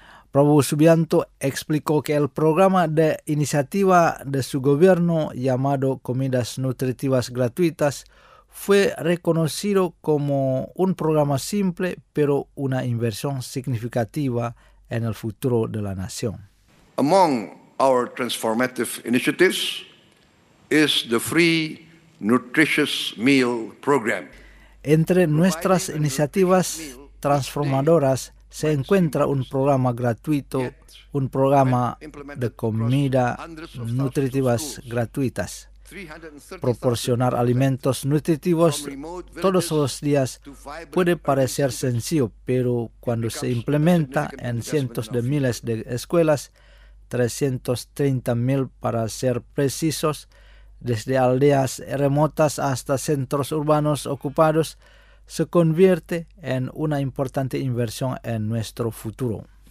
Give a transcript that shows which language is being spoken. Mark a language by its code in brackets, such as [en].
[es] Prabowo Subianto explicó que el programa de iniciativa de su gobierno llamado Comidas Nutritivas Gratuitas fue reconocido como un programa simple pero una inversión significativa en el futuro de la nación. [en] Among our transformative initiatives is the free nutritious meal program. [es] Entre nuestras iniciativas transformadoras se encuentra un programa gratuito, un programa de comida nutritivas gratuitas. Proporcionar alimentos nutritivos todos los días puede parecer sencillo, pero cuando se implementa en cientos de miles de escuelas, 330 mil para ser precisos, desde aldeas remotas hasta centros urbanos ocupados, se convierte en una importante inversión en nuestro futuro.